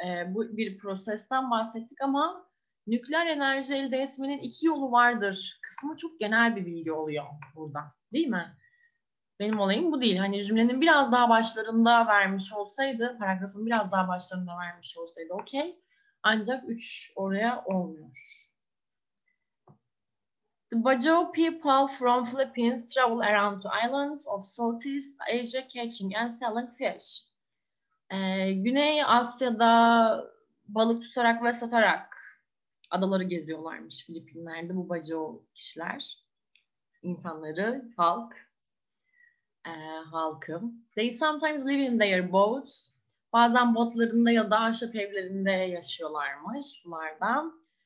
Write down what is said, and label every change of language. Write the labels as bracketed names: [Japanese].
[Turkish] Bu bir prosesten bahsettik ama nükleer enerji elde etmenin iki yolu vardır kısmı çok genel bir bilgi oluyor burada, değil mi? Benim olayım bu değil. Hani cümlenin biraz daha başlarında vermiş olsaydı, paragrafın biraz daha başlarında vermiş olsaydı okey. Ancak üç oraya olmuyor. [English] The Bajau people from Philippines travel around to islands of Southeast Asia catching and selling fish. [Turkish] Güney Asya'da balık tutarak ve satarak adaları geziyorlarmış Filipinler'de bu Bajau kişiler, insanları, halk. halkım. [English] They sometimes live in their boats. [Turkish] Bazen botlarında ya da ahşap evlerinde yaşıyorlarmış sulardan.